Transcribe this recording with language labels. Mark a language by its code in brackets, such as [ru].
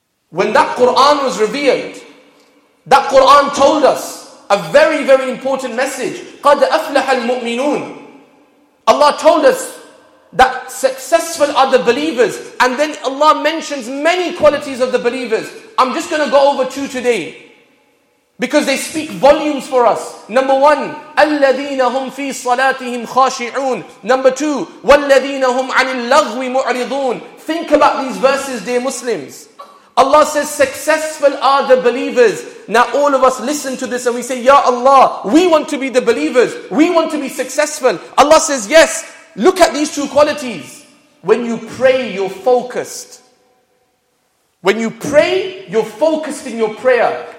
[en] When that Quran was revealed, that Quran told us a very, very important message. [ar] قَدْ أَفْلَحَ الْمُؤْمِنُونَ [en] Allah told us that successful are the believers. And then Allah mentions many qualities of the believers. I'm just going to go over 2 today. Because they speak volumes for us. Number 1, [ar] أَلَّذِينَ هُمْ فِي صَلَاتِهِمْ خَاشِعُونَ [en] Number 2, [ar] وَالَّذِينَ هُمْ عَنِ اللَّغْوِ مُعْرِضُونَ [en] Think about these verses, dear Muslims. Allah says, successful are the believers. Now all of us listen to this and we say, Ya Allah, we want to be the believers. We want to be successful. Allah says, yes, look at these 2 qualities. When you pray, you're focused. When you pray, you're focused in your prayer.